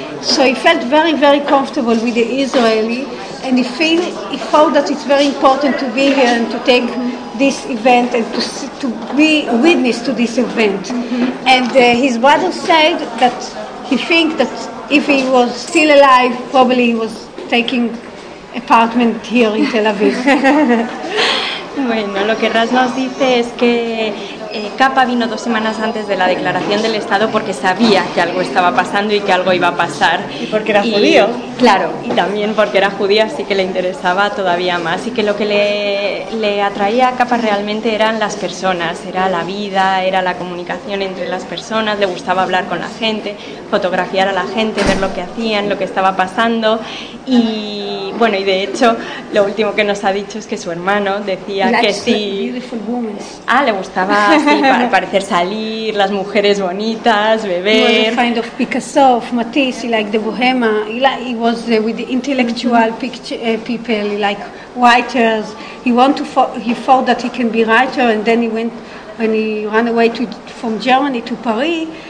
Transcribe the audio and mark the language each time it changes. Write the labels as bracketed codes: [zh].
[en] So he felt very, very comfortable with the Israeli, and he felt that it's very important to be here and to take this event and to be witness to this event. Mm-hmm. And his brother said that he thinks that if he was still alive, probably he was taking apartment here in Tel Aviv. [es] Bueno, lo que Ras nos dice es que Kappa vino 2 semanas antes de la declaración del Estado porque sabía que algo estaba pasando y que algo iba a pasar. Y porque era judío. Claro, y también porque era judío, así que le interesaba todavía más. Y que lo que le atraía a Kappa realmente eran las personas, era la vida, era la comunicación entre las personas, le gustaba hablar con la gente, fotografiar a la gente, ver lo que hacían, lo que estaba pasando. Y bueno, y de hecho, lo último que nos ha dicho es que su hermano decía que sí. Ah, le gustaba así, parecer salir, las mujeres bonitas, beber. [en] He was a kind of Picasso, of Matisse, like the Bohema. He was with the intellectual picture, people, like writers. He thought that he can be a writer, and then when he ran away from Germany to Paris.